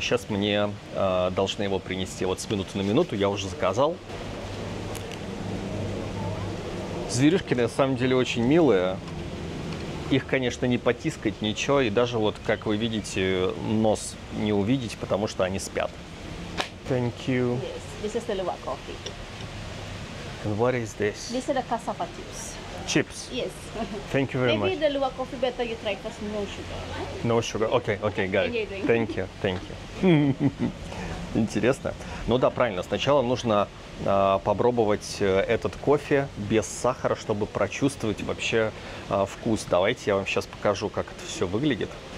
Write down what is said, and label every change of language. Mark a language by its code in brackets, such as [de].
[ru] Сейчас мне должны его принести. Вот с минуты на минуту я уже заказал. Зверюшки на самом деле очень милые. Их, конечно, не потискать, ничего. И даже вот, как вы видите, нос не увидеть, потому что они спят. [en] Thank you. Yes, this is the Luwak coffee. And what is this? This is the cassava chips. Chips? Yes. Thank you very Maybe much. Maybe the Luwak coffee better you try first, no sugar. Right? No sugar, okay, got it. Thank you. [ru] Интересно. Ну да, правильно, сначала нужно попробовать этот кофе без сахара, чтобы прочувствовать вообще вкус. Давайте я вам сейчас покажу, как это все выглядит.